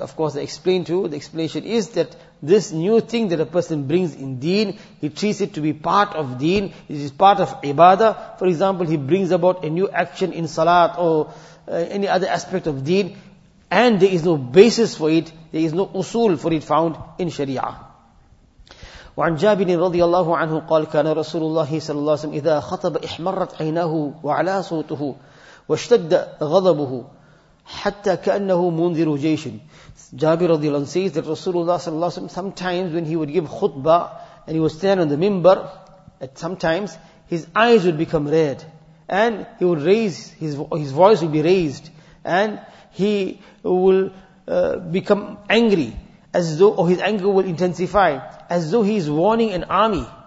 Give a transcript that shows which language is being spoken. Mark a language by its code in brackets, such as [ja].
[en] Of course, I explained to you, the explanation is that this new thing that a person brings in deen, he treats it to be part of deen, it is part of ibadah. For example, he brings about a new action in salat or any other aspect of deen, and there is no basis for it, there is no usul for it found in sharia. [ar] وعن جابر رضي الله عنه قال كان رسول الله صلى الله عليه وسلم إذا خطب إحمرت عيناه وعلى صوته واشتد غضبه حتى كأنه منذر جيش. [en] جابر رضي الله عنه says that Rasulullah صلى الله عليه وسلم sometimes when he would give khutbah and he would stand on the minbar, at sometimes his eyes would become red and he would raise his voice would be raised and he will become angry as though, or his anger will intensify as though he is warning an army.